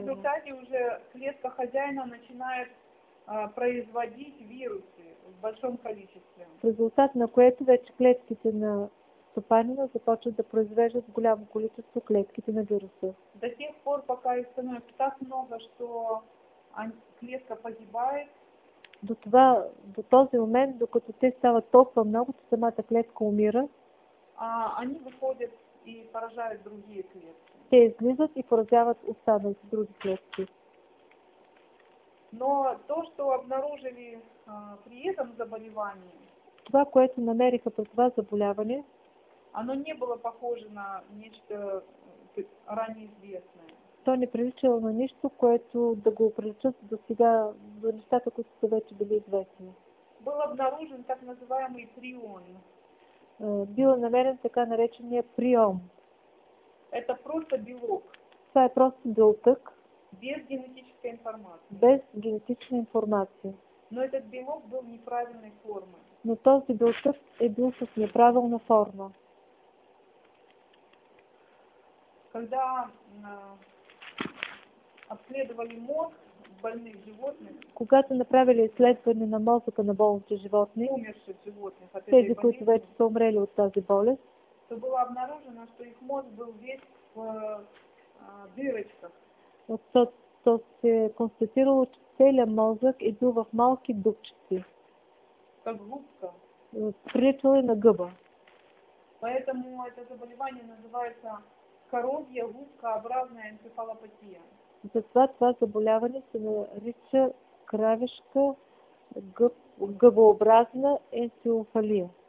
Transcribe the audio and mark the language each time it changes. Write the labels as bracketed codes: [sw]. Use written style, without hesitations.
[ru] И в результате уже клетка хозяина начинает производить вирусы в большом количестве. [bg] В результат на което вече клетките на стопарина започват да произвеждат голямо количество клетките на вируса. [ru] До тех пор, пока их становится так много, что клетка погибает. [bg] До този момент, докато те стават толкова много, че самата клетка умира. [ru] Они выходят и поражают другие клетки. [bg] Те излизат и поразяват останалите други клетки. [ru] Но то, что обнаружили при этом заболевании, [bg] това, което намериха при това заболяване, [ru] оно не было похоже на нечто ранее известное. [bg] То не приличало на нищо, което да го приличат до сега, до нещата, които са вече били известни. [ru] Был обнаружен так называемый прион. [bg] Била намерен така наречения прион. [ru] Это просто белок. [bg] Това е просто белтък. [ru] Без генетической информации. [bg] Без генетична информация. [ru] Но этот белок был неправильной формы. [bg] Но този белтък е бил с неправилна форма. [ru] Когда обследовали мозг больных животных, [bg] когато направили изследване на мозъка на болните животни, [ru] умерших животных, [bg] тези, които вече са умрели от тази болест, [ru] то было обнаружено, что их мозг был весь в дырочках. [bg] То се констатировало, че целият мозък е бил в малки дупчици. [ru] Как губка. [bg] Приличало на гъба. [ru] Поэтому это заболевание называется коровья губкообразная энцефалопатия. [bg] Затова това заболяване се нарича кравешка гъбообразна енцефалия.